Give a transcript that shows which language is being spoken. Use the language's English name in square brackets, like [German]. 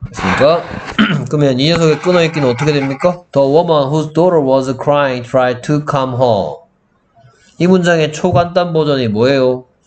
[Korean] 그러니까 그러면 이 녀석이 끊어 있기는 어떻게 됩니까? [English] The woman whose daughter was crying tried to come home. [Korean] 이 문장의 초간단 버전이 뭐예요?